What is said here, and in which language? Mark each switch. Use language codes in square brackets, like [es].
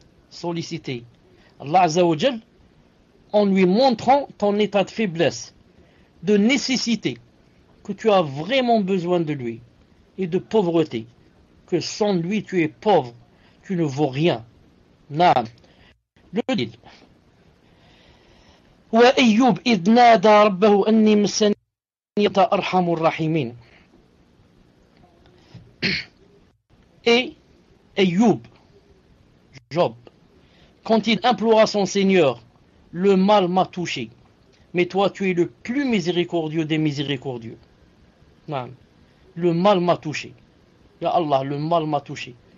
[fr] Solliciter Allah Azza wa Jal en lui montrant ton état de faiblesse, de nécessité, que tu as vraiment besoin de lui, et de pauvreté, que sans lui tu es pauvre, tu ne vaux rien. Naam. Le dit. [ar] وأيوب إذ نادى ربه أني مسني أرحم الراحمين. [fr] Et Ayyub, Job, quand il implora son Seigneur, le mal m'a touché, mais toi tu es le plus miséricordieux des miséricordieux. Non. Le mal m'a touché. Ya Allah, le mal m'a touché.